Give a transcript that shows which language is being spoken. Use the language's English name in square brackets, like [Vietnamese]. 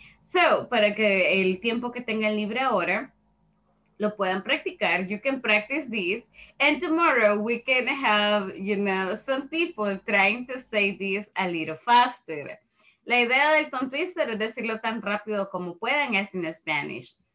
[Spanish] So, para que el tiempo que tengan libre ahora lo puedan practicar. [English] You can practice this. And tomorrow we can have, you know, some people trying to say this a little faster. [Spanish] La idea del Tom Pister es decirlo tan rápido como puedan es en Spanish.